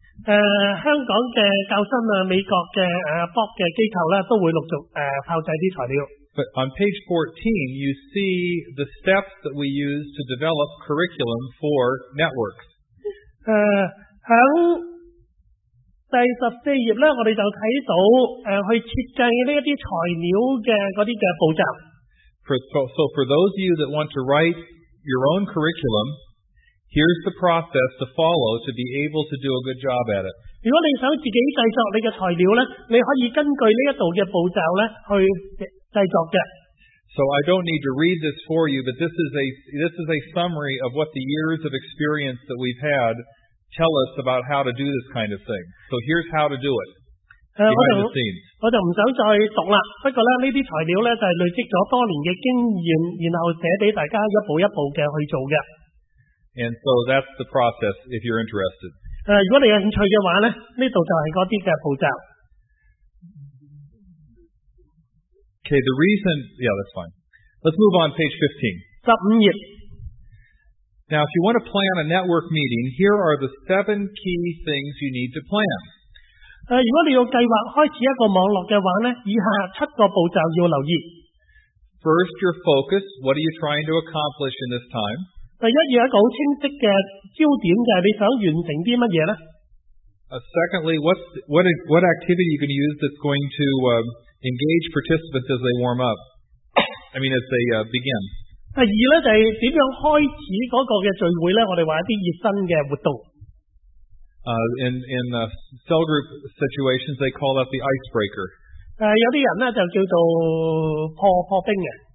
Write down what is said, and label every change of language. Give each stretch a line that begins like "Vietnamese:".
Cantonese: 香港嘅教心啊，美国嘅Bob嘅机构咧，都会陆续炮制啲材料。
English: But on page 14, you see the steps that we use to develop curriculum for networks.
Cantonese: 在第十四页咧，我哋就睇到去设计呢一啲材料嘅嗰啲嘅步骤。
English: So for those of you that want to write your own curriculum, here's the process to follow to be able to do a good job at it.
Cantonese: 如果你想自己制作你嘅材料咧，你可以根据呢一度嘅步骤咧去。
English: So I don't need to read this for you, but this is a summary of what the years of experience that we've had tell us about how to do this kind of thing. So here's how to do it. Behind the scenes.
Cantonese: 我就唔想再读啦。不过咧，呢啲材料咧就系累积咗多年嘅经验，然后写俾大家一步一步嘅去做嘅。
English: And so that's the process. If you're interested.
Cantonese: 如果你有兴趣嘅话咧，呢度就系嗰啲嘅步骤。
English: Okay, the reason, yeah, that's fine. Let's move on to page 15.
Cantonese: 15页.
English: Now, if you want to plan a network meeting, here are the 7 key things you need to plan.
Cantonese: 如果你要计划开始一个网络嘅话呢，以下七个步骤要留意。
English: First, your focus. What are you trying to accomplish in this time?
Cantonese: 第一，要一个好清晰嘅焦点嘅，你想完成啲乜嘢呢？
English: Secondly, what activity are you going to use that's going to engage participants as they warm up. I mean, as they begin.
Cantonese: 第二咧就系点样开始嗰个嘅聚会咧？我哋话一啲热身嘅活动。
English: In cell group situations, they call that the icebreaker.
Cantonese: 有啲人咧就叫做破冰嘅。